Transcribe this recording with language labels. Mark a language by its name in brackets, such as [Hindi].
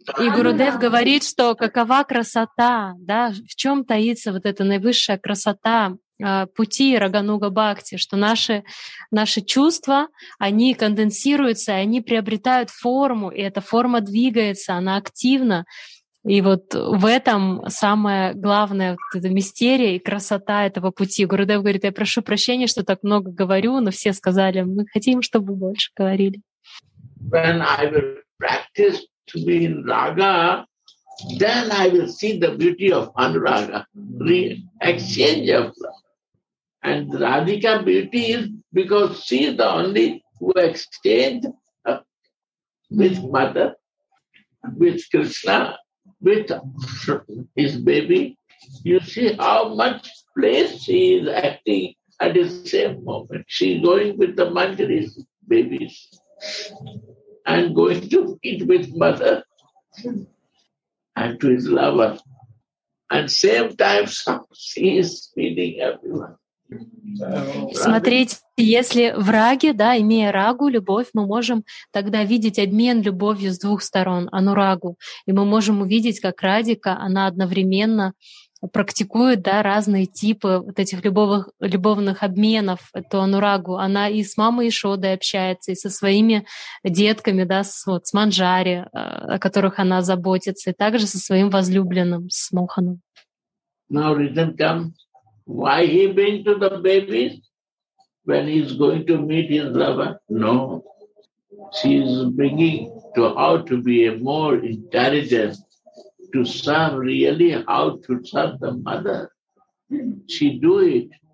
[Russian] И Гурудев говорит, что какова красота, да, в чем таится вот эта наивысшая красота пути Рагануга Бхакти, что наши чувства, они конденсируются, они приобретают форму, и эта форма двигается, она активна. И вот в этом самое главное, вот эта мистерия и красота этого пути. Гурудев говорит, я прошу прощения, что так много говорю, но все сказали, мы хотим, чтобы больше говорили. [English] When I will practice to be in Raga, then I will see the beauty of Anuraga, the exchange of love. And Radhika beauty is because she is the only who exchanged with mother, with Krishna, with his baby. You see how much place she is acting at the same moment. She is going with the Manjari's babies. And going to eat with mother and to his lover. And same time, she is feeding everyone. [Russian] Смотрите, если в Раге, да, имея Рагу, любовь, мы можем тогда видеть обмен любовью с двух сторон, Анурагу. И мы можем увидеть, как Радика, она одновременно практикует, да, разные типы вот этих любовных обменов, эту Анурагу. Она и с мамой Ишодой общается, и со своими детками, да, вот, с Манджари, о которых она заботится, и также со своим возлюбленным, с Моханом. [English] Now, reason comes. Why he been to the babies when he is going to meet his lover? No. She is bringing to how to be a more intelligent, to serve really how to serve the mother. She do it.